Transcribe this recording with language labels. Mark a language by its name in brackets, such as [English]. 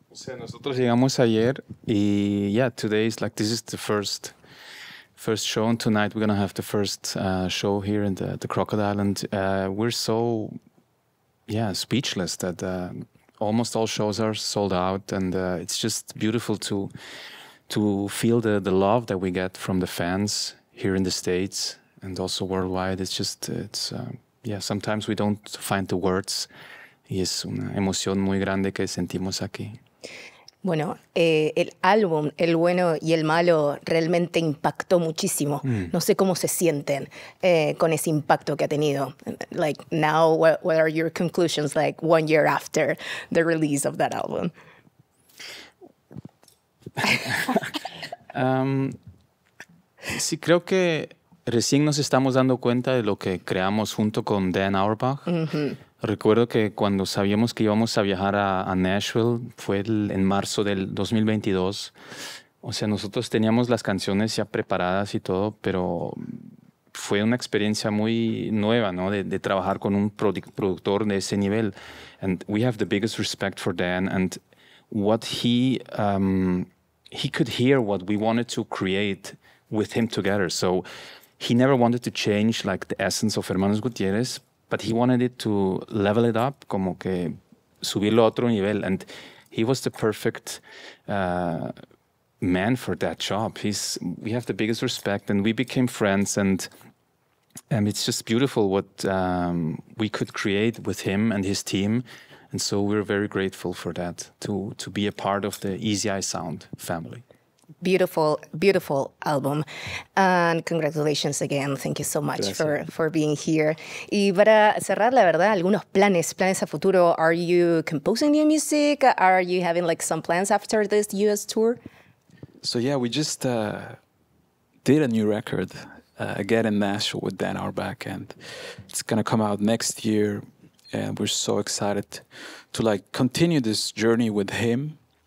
[Spanish] O sea, nosotros llegamos ayer y [English] yeah, today is like, this is the first show, and tonight we're gonna have the first show here in the Crocodile, and we're so speechless that almost all shows are sold out, and it's just beautiful to feel the love that we get from the fans here in the States and also worldwide. It's just sometimes we don't find the words. [Spanish] Y es una emoción muy grande que sentimos aquí. Bueno, el álbum, El Bueno y el Malo, realmente impactó muchísimo. Mm. No sé cómo se sienten con ese impacto que ha tenido. [English] Like, now, what are your conclusions, like, 1 year after the release of that album? [Spanish] sí, creo que recién nos estamos dando cuenta de lo que creamos junto con Dan Auerbach. Mm-hmm. Recuerdo que cuando sabíamos que íbamos a viajar a Nashville, fue en marzo del 2022. O sea, nosotros teníamos las canciones ya preparadas y todo, pero fue una experiencia muy nueva, ¿no? De trabajar con un productor de ese nivel. [English] And we have the biggest respect for Dan. And what he could hear what we wanted to create with him together. So he never wanted to change like the essence of Hermanos Gutiérrez, but he wanted it to level it up, [Spanish] como que subirlo a otro nivel. [English] And he was the perfect man for that job. We have the biggest respect, and we became friends. And it's just beautiful what we could create with him and his team. And so we're very grateful for that, to be a part of the Easy Eye Sound family. beautiful, beautiful album. And congratulations again. Thank you so much for being here. [Spanish] Y para cerrar, la verdad, algunos planes a futuro. [English] Are you composing new music? Are you having like some plans after this US tour? So yeah, we just did a new record again in Nashville with Dan Auerbach, and it's gonna come out next year. And we're so excited to like continue this journey with him.